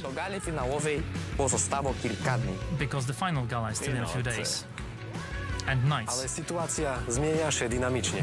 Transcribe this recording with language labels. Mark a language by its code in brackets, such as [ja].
[pl] Do gali finałowej pozostało kilka dni. [en] Because the final gala is still in a few days. And nights. [pl] Ale sytuacja zmienia się dynamicznie.